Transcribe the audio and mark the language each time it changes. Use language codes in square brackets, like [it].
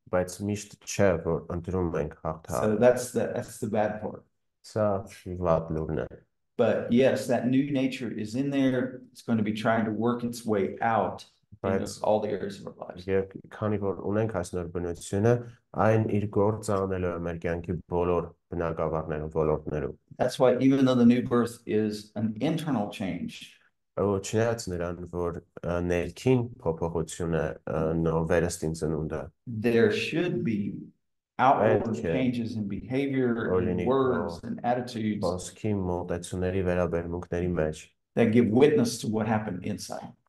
[en] But it's [hy] միշտ չէ, որ ընդրում ենք հաղթահարել. [en] So that's the bad part. [hy] Սա վատ լուրն է. [en] But yes, that new nature is in there. It's going to be trying to work its way out in all the areas of our lives. [hy] Եվ քանի որ ունենք այս նոր բնությունը, այն իր գործ անելու է մեր կյանքի բոլոր բնակավարներում, ոլորտներում. [en] That's why even though the new birth is an internal change, there should be outward changes in behavior, in words, and attitudes that give witness to what happened inside.